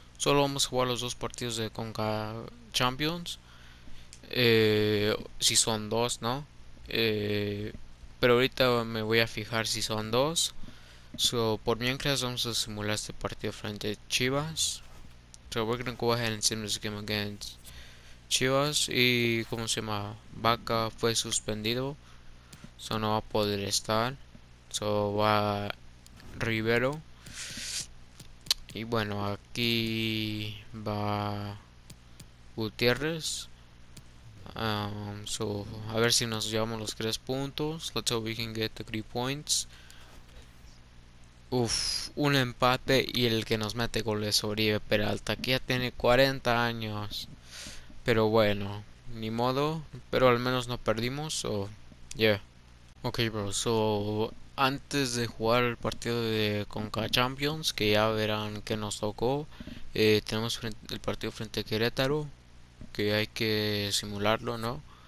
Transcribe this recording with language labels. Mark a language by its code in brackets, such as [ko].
[es] Solo vamos a jugar los dos partidos de Conca Champions, si son dos, ¿no? Pero ahorita me voy a fijar si son dos. So, por mientras vamos a simular este partido frente a Chivas. [en] So, we're gonna go ahead and sim this game against Chivas. [es] Y, ¿cómo se llama? Vaca fue suspendido. So, no va a poder estar. So, va Rivero. Y bueno, aquí va Gutiérrez. So, a ver si nos llevamos los 3 puntos. [en] Let's hope we can get the 3 points. [es] Uf, un empate y el que nos mete gol es Oribe Peralta, que ya tiene 40 años. Pero bueno, ni modo, pero al menos no perdimos, [en] so, yeah. Ok, bro, so, [es] antes de jugar el partido de Conca Champions, que ya verán que nos tocó, tenemos el partido frente a Querétaro, que hay que simularlo, ¿no?